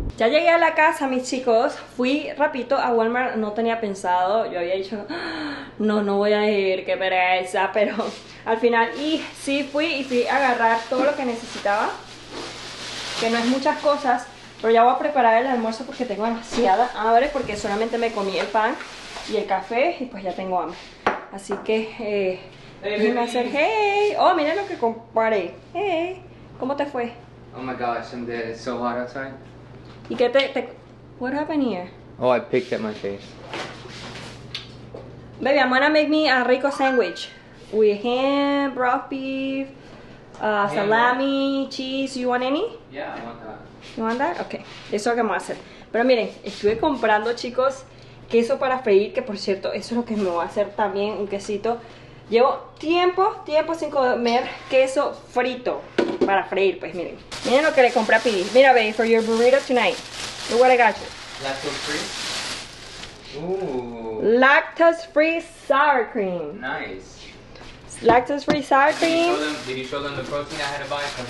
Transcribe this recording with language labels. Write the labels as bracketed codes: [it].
[es] Ya llegué a la casa, mis chicos, fui rapidito a Walmart, no tenía pensado, yo había dicho, no voy a ir, qué pereza, pero al final, y sí fui, y fui a agarrar todo lo que necesitaba, que no es muchas cosas. Pero ya voy a preparar el almuerzo porque tengo demasiada hambre, porque solamente me comí el pan y el café, y pues ya tengo hambre. Así que, dime hacer, hey, oh, mira lo que compré. Hey, ¿cómo te fue? [en] Oh my gosh, I'm dead. It's so hot outside. [es] ¿Y qué te [en] what happened here? Oh, I picked at my face. Baby, I'm gonna make me a rico sandwich with ham, broth beef, salami, yeah, cheese. You want any? Yeah, I want that. You want that? Okay. [es] Eso es lo que vamos a hacer. Pero miren, estuve comprando, chicos, queso para freír, que por cierto, eso es lo que me voy a hacer también, un quesito. Llevo tiempo sin comer queso frito para freír, pues miren. Miren lo que le compré a Pidi. [en] Mira, baby, for your burrito tonight. Look what I got you. Lactose free? Ooh. Lactose free sour cream. Nice. Lactose free sour cream. Did you show them the protein I had to buy?